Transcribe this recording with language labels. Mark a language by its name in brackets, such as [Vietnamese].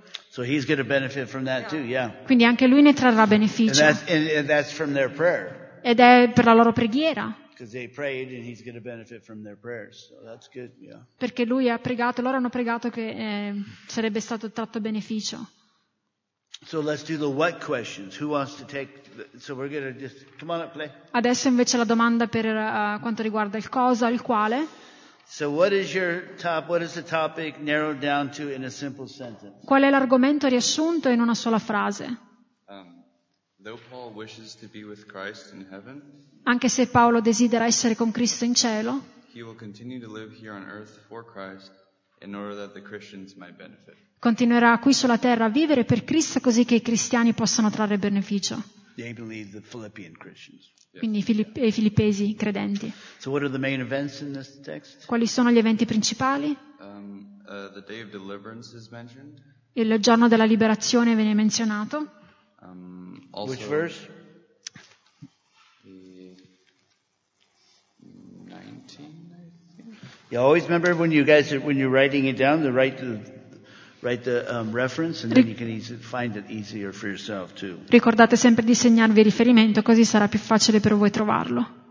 [English] So he's going to benefit from that too, yeah. [Italian] Quindi anche lui ne trarrà beneficio. [English] And that's from their prayer. [Italian] Ed è per la loro preghiera. [English] Because they prayed and he's going to benefit from their prayers. So that's good, yeah. [Italian] Perché lui ha pregato, loro hanno pregato che sarebbe stato tratto beneficio. [English] So let's do the what questions. Who wants to take the, so we're going to just come on up, play. [Italian] Adesso invece la domanda per quanto riguarda il cosa, il quale. [English] So what is your top, what is the topic narrowed down to in a simple sentence? [Italian] Qual è l'argomento riassunto in una sola frase? [English] Though Paul wishes to be with Christ in heaven. [Italian] Anche se Paolo desidera essere con Cristo in cielo, [English] he will continue to live here on earth for Christ in order that the Christians might benefit. [Italian] Continuerà qui sulla terra a vivere per Cristo così che i cristiani possano trarre beneficio. [English] They believe the Philippian Christians. [Italian] Quindi i filippesi credenti. [English] So what are the main events in this text? [Italian] Quali sono gli eventi principali? [English] The day of deliverance is mentioned. [Italian] Il giorno della liberazione viene menzionato. [English] Also, which verse? You always remember when you guys are, when you're writing it down, write the reference, and then you can easy, find it easier for yourself too. [Italian] Ricordate sempre di segnarvi il riferimento, così sarà più facile per voi trovarlo.